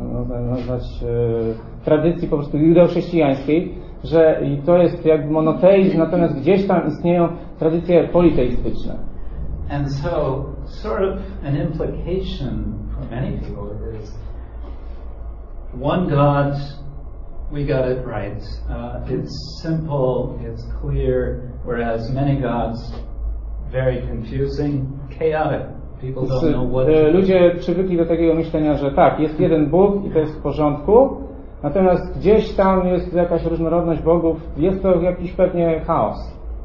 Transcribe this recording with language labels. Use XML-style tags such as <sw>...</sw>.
<pl>nazwać tradycji po prostu judeo-chrześcijańskiej, że to jest jakby monoteizm, natomiast gdzieś tam istnieją tradycje politeistyczne.</pl> <en>And so sort of an implication for many people is one God, we got it right. It's simple, it's clear, whereas many gods, very confusing, chaotic. People don't know what to do.</en> <pl>Ludzie przywykli do takiego myślenia, że tak, jest jeden Bóg i to jest w porządku, natomiast gdzieś tam jest jakaś różnorodność bogów, jest to jakiś pewnie chaos.</pl>